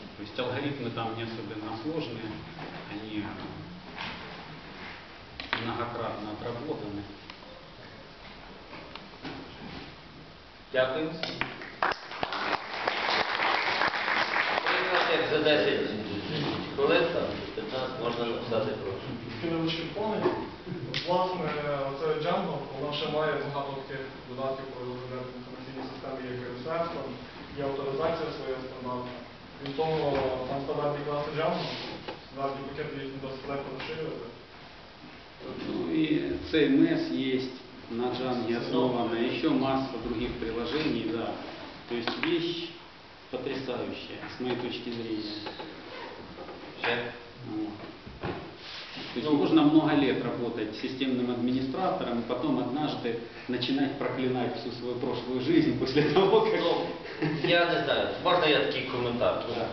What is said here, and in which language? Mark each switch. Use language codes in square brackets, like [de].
[ru] То есть алгоритмы там не особенно сложные, они многократно отработаны. [uk] Дякую. [ru] Как за 10 лет, 15 можно написать проще. Ты лучше помнишь? [uk] Власне, це Django, вона ще має багато тих додатків, коли вже в інформаційній системі є GSS, є авторизація своєї стандартна. Крім того, там стандартні класи Java, стандартні пакети дійсно досить легко розширювати. Ну і CMS є на Django основана, і ще маса других приложений, да. Тобто річ потрясаюча, з моєї точки зрения. Ще? Ну. [ru] То есть можно много лет работать системным администратором, и потом однажды начинать проклинать всю свою прошлую жизнь после того, как... Ну, я не знаю, можно я такие комментарии? Да.